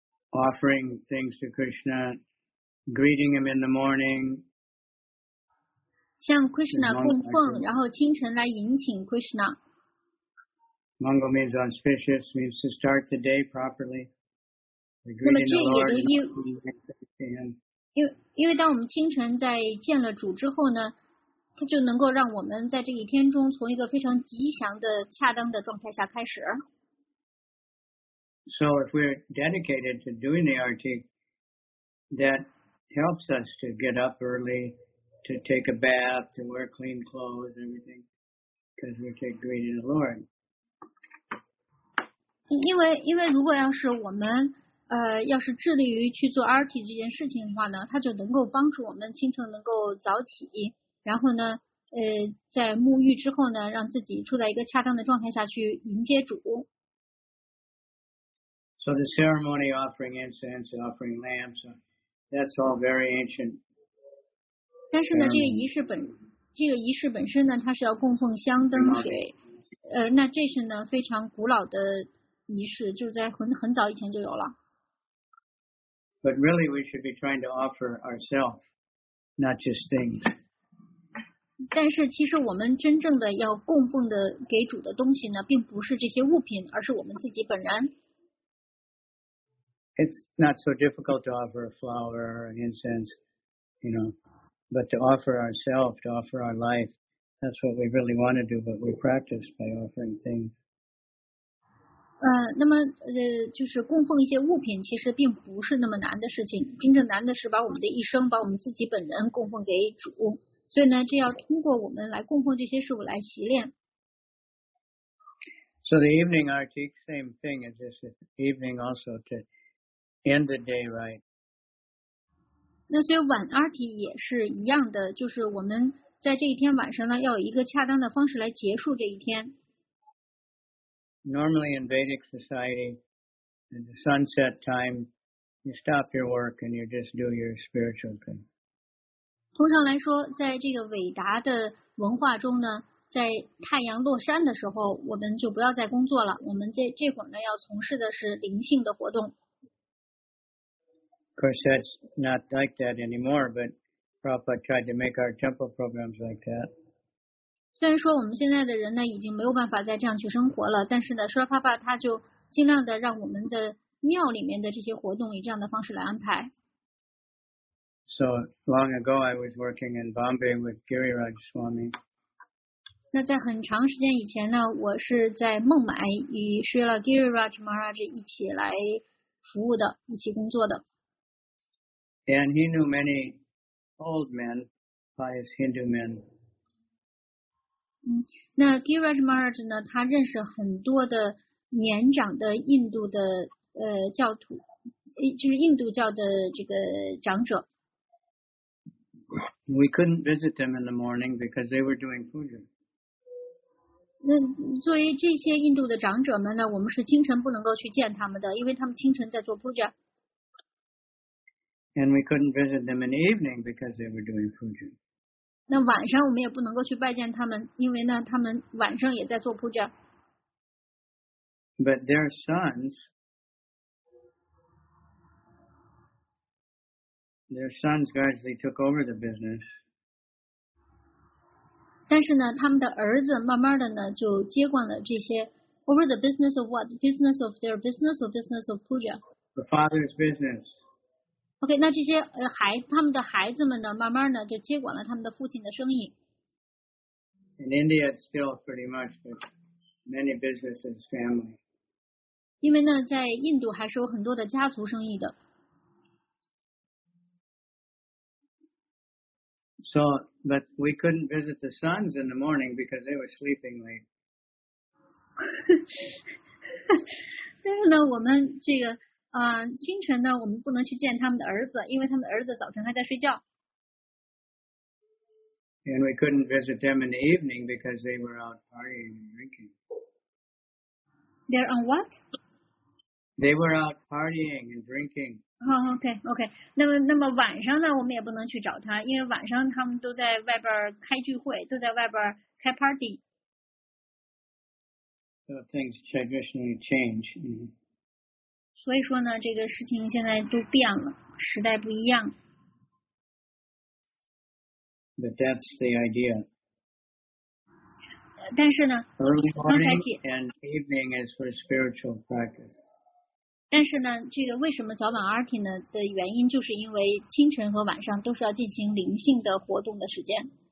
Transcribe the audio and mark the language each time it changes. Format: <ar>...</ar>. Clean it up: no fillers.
<en>Offering things to Krishna, greeting him in the morning.</en> <zh>向 Krishna 供奉，然后清晨来迎请 Krishna。</zh> <en>Mangal means auspicious, means to start the day properly.</en> <zh>那么这也就因为当我们清晨在见了主之后呢，它就能够让我们在这一天中从一个非常吉祥的、恰当的状态下开始。</zh> <en>So if we're dedicated to doing the arti, that helps us to get up early. To take a bath, to wear clean clothes, everything, because we take greeting the Lord.</en> <zh>因为如果要是我们要是致力于去做 RT 这件事情的话呢，它就能够帮助我们清晨能够早起，然后呢在沐浴之后呢，让自己处在一个恰当的状态下去迎接主。</zh> <en>So the ceremony offering incense, offering lamps, that's all very ancient.</en> <zh>但是呢，这个仪式本身呢，它是要供奉香灯水，那这是呢非常古老的仪式，就是在很早以前就有了。</zh> <en>But really, we should be trying to offer ourselves, not just things.</en> <zh>但是其实我们真正的要供奉的给主的东西呢，并不是这些物品，而是我们自己本人。</zh> <en>It's not so difficult to offer a flower or an incense, you know. But to offer ourselves, to offer our life, that's what we really want to do, but we practice by offering things.</en> <zh>那么就是供奉一些物品其实并不是那么难的事情，真正难的是把我们的一生，把我们自己本人供奉给主，所以呢，这要通过我们来供奉这些事物来习练。</zh> <en>So the evening arti, same thing, it's just evening also to end the day right.</en> <zh>那所以晚 arti 也是一样的，就是我们在这一天晚上呢，要有一个恰当的方式来结束这一天。</zh> <en>Normally in Vedic society, at the sunset time, you stop your work and you just do your spiritual thing.</en> <zh>通常来说，在这个伟大的文化中呢，在太阳落山的时候，我们就不要再工作了。我们这会儿呢，要从事的是灵性的活动。</zh> <en>Of course, that's not like that anymore, but Prabhupada tried to make our temple programs like that.</en> <zh>虽然说我们现在的人呢，已经没有办法再这样去生活了，但是呢，释迦牟尼佛他就尽量的让我们的庙里面的这些活动以这样的方式来安排。</zh> <en>So long ago, I was working in Bombay with Giriraj Swami.</en> <zh>那在很长时间以前呢，我是在孟买与释迦牟尼 Giriraj Maharaj 一起来服务的，一起工作的。</zh> <en>And he knew many old men, pious Hindu men.</en> <zh>那 Giriraj Maharaj 呢，他认识很多的年长的印度的教徒，就是印度教的这个长者。</zh> <en>We couldn't visit them in the morning because they were doing puja.</en> <zh>那作为这些印度的长者们呢，我们是清晨不能够去见他们的，因为他们清晨在做 puja。</zh> <en>And we couldn't visit them in the evening because they were doing puja.</en> <zh>那晚上我们也不能够去拜见他们，因为呢，他们晚上也在做 puja。</zh> <en>But their sons, gradually took over the business.</en> <zh>但是呢，他们的儿子慢慢的呢，就接管了这些</zh> <en>over the business of what? Business of their business or business of puja? The father's business.</en> <zh>OK, 那这些他们的孩子们呢，慢慢呢就接管了他们的父亲的生意。</zh> <en>In India, it's still pretty much, but many businesses family.</en> <zh>因为呢，在印度还是有很多的家族生意的。</zh> <en>So, but we couldn't visit the sons in the morning because they were sleeping late.</en> <zh>但是呢，我们这个。清晨呢，我们不能去见他们的儿子，因为他们的儿子早晨还在睡觉。</zh> <en>And we couldn't visit them in the evening because they were out partying and drinking. They're on what? They were out partying and drinking. Oh, okay.</en> <zh>那么晚上呢，我们也不能去找他，因为晚上他们都在外边开聚会，都在外边开 party.</zh> <en>So things traditionally change. Mm-hmm.</en> <zh>所以说呢，这个事情现在都变了，时代不一样。</zh> <en>But that's the idea.</en> <zh>但是呢</zh> <en>，early morning and evening is for spiritual practice.</en> <zh>但是呢，这个为什么早晚 arti 呢的原因，就是因为清晨和晚上都是要进行灵性的活动的时间。</zh>